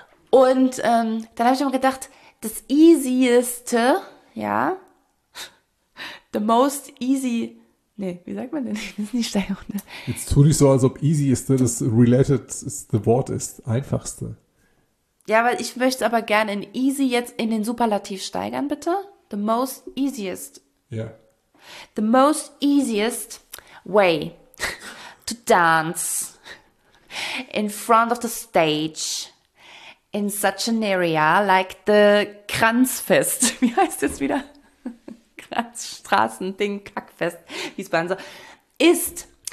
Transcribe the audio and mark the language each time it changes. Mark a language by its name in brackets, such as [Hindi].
[German] Und dann habe ich immer gedacht, das easieste, ja, [English] the most easy, [German] nee, wie sagt man denn? Das ist nicht steil, ne? Jetzt tu nicht so, als ob easy ist, ne? Das related ist the Wort ist, einfachste. Ja, weil ich möchte aber gerne in easy jetzt in den Superlativ steigern, bitte. [English] The most easiest. [German] Ja. [English] The most easiest way to dance in front of the stage in such an area like the Kranzfest. [German] Wie heißt das wieder? Kranzstraßen-Ding-Kackfest. Wie es bei uns so ist.